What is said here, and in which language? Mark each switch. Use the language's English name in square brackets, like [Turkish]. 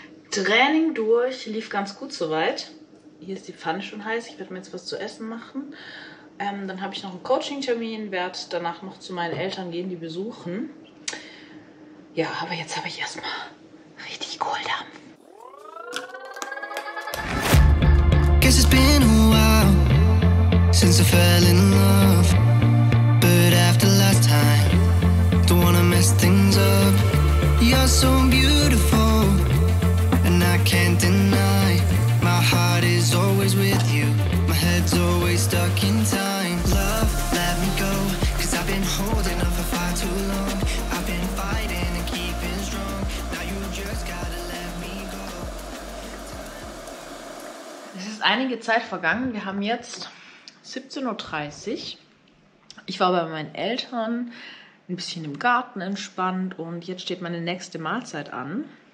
[German] Training durch, lief ganz gut soweit. Hier ist die Pfanne schon heiß. Ich werde mir jetzt was zu essen machen. Dann habe ich noch einen Coaching-Termin, werde danach noch zu meinen Eltern gehen, die besuchen. Ja, aber jetzt habe ich erstmal richtig Kohldampf. [English] Guess it's been a while since I fell in love. But after last time, don't wanna mess things up. You're so beautiful and I can't deny. Always with you, my head's always stuck in time. Love, let me go, cause I've been holding on for far too long. I've been fighting and keeping strong. Now you just gotta let me go. [German] Es ist einige Zeit vergangen. Wir haben jetzt 17:30 Uhr. Ich war bei meinen Eltern, ein bisschen im Garten entspannt und jetzt steht meine nächste Mahlzeit an.